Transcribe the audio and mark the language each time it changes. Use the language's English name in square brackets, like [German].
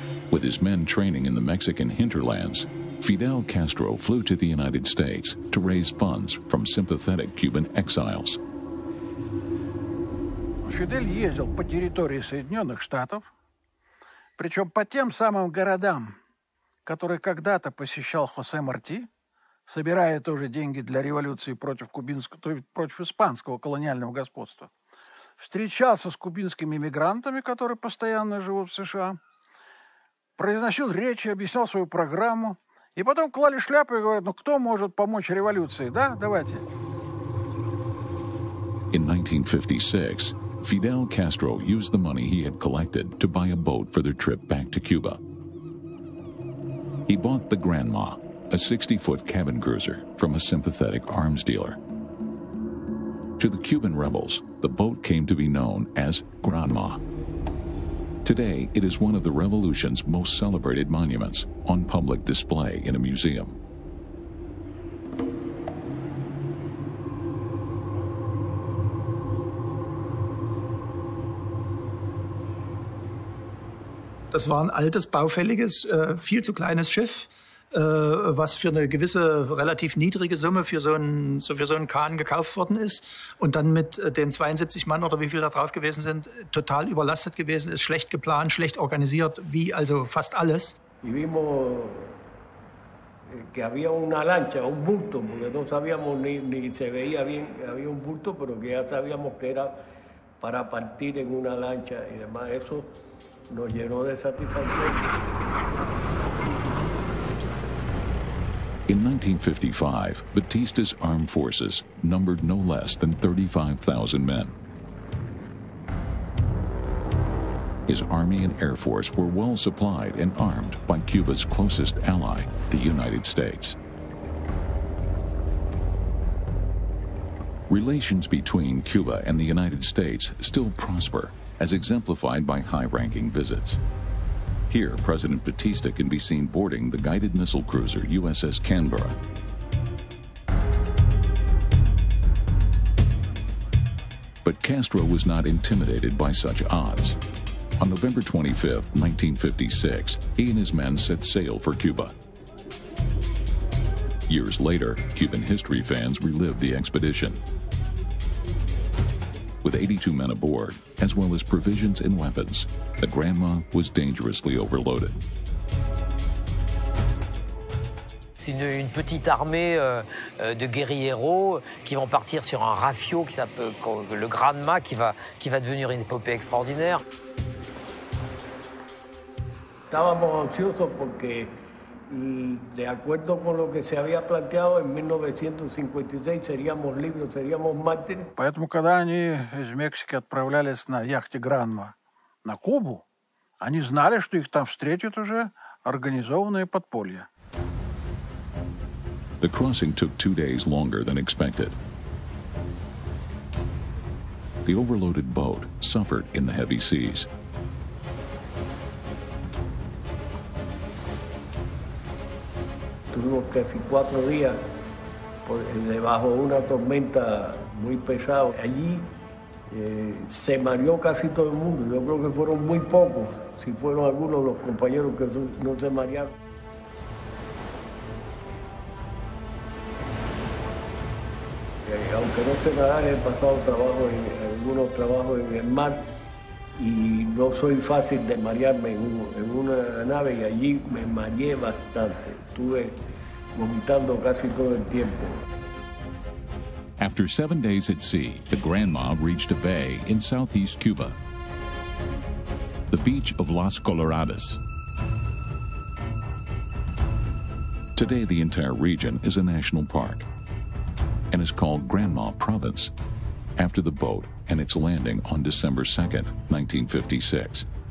[English] With his men training in the Mexican hinterlands, Fidel Castro flew to the United States to raise funds from sympathetic Cuban exiles. [Russian] Фидель ездил по территории Соединенных Штатов, причем по тем самым городам, которые когда-то посещал Хосе Марти, собирая тоже деньги для революции против кубинского, против испанского колониального господства. Встречался с кубинскими мигрантами, которые постоянно живут в США, произносил речи, объяснял свою программу. И потом клали шляпу и говорят, ну кто может помочь революции, да? Давайте. [English] In 1956, Fidel Castro used the money he had collected to buy a boat for their trip back to Cuba. He bought the Grandma, a 60-foot cabin cruiser, from a sympathetic arms dealer. To the Cuban rebels, the boat came to be known as Grandma. Today, it is one of the revolution's most celebrated monuments on public display in a museum. [German] Das war ein altes, baufälliges, viel zu kleines Schiff, was für eine gewisse relativ niedrige Summe für so einen Kahn gekauft worden ist und dann mit den 72 Mann oder wie viel da drauf gewesen sind, total überlastet gewesen ist, schlecht geplant, schlecht organisiert, wie also fast alles. [Spanish] Wir vimos que había una lancha, un bulto, porque no sabíamos ni se veía bien, había un bulto, pero que ya sabíamos que era para partir en una lancha y demás, eso nos llenó de satisfacción. [English] In 1955, Batista's armed forces numbered no less than 35,000 men. His army and air force were well supplied and armed by Cuba's closest ally, the United States. Relations between Cuba and the United States still prosper, as exemplified by high-ranking visits. Here, President Batista can be seen boarding the guided missile cruiser USS Canberra. But Castro was not intimidated by such odds. On November 25th, 1956, he and his men set sail for Cuba. Years later, Cuban history fans relived the expedition. With 82 men aboard, as well as provisions and weapons, the Granma was dangerously overloaded. [French] C'est une petite armée de guérilleros qui vont partir sur un rafio qui s'appelle le Granma, qui va devenir une épopée extraordinaire. [Spanish] Estábamos ansiosos porque, de acuerdo con lo que se había planteado, en 1956 seríamos libres, seríamos mártires. [Russian] Поэтому, когда они из Мексики отправлялись на яхте «Гранма» на Кубу, они знали, что их там встретят уже организованное подполье. [English] The crossing took 2 days longer than expected. The overloaded boat suffered in the heavy seas. [Spanish] Tuvimos casi cuatro días debajo de una tormenta muy pesada. Allí se mareó casi todo el mundo. Yo creo que fueron muy pocos, si fueron algunos los compañeros que no se marearon. Aunque no sé nadar, he pasado trabajo algunos trabajos en el mar y no soy fácil de marearme en una nave y allí me mareé bastante. Tuve vomitando casi todo el tiempo. [English] After 7 days at sea, the Granma reached a bay in southeast Cuba, the beach of Las Coloradas. Today, the entire region is a national park and is called Granma Province after the boat and its landing on December 2nd, 1956.